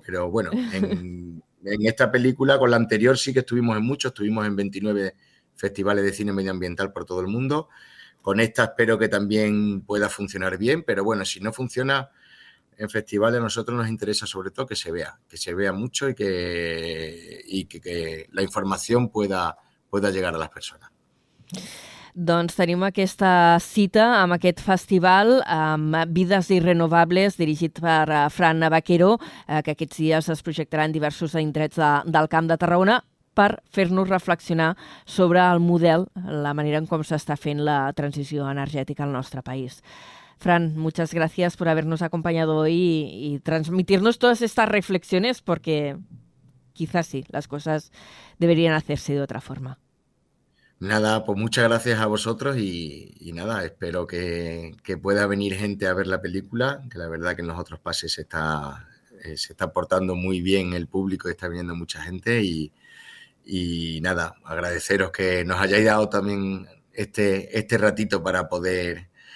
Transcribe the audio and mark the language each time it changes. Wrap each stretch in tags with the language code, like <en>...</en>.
<es>Pero bueno, en esta película, con la anterior sí que estuvimos en muchos, estuvimos en 29 festivales de cine medioambiental por todo el mundo. Con esta espero que también pueda funcionar bien, pero bueno, si no funciona en festivales, a nosotros nos interesa sobre todo que se vea mucho y que la información pueda llegar a las personas.</es> <ca>Doncs tenim aquesta cita amb aquest festival amb Vides Irrenovables dirigit per Fran Vaquero, que aquests dies es projectarà en diversos indrets del Camp de Tarragona per fer-nos reflexionar sobre el model, la manera en com s'està fent la transició energètica al nostre país.</ca> <es>Fran, muchas gracias por habernos acompañado hoy y transmitirnos todas estas reflexiones porque quizás sí, las cosas deberían hacerse de otra forma. Nada, pues muchas gracias a vosotros y nada, espero que pueda venir gente a ver la película, que la verdad que en los otros pases se está portando muy bien el público y está viniendo mucha gente y nada, agradeceros que nos hayáis dado también este ratito para poder</es>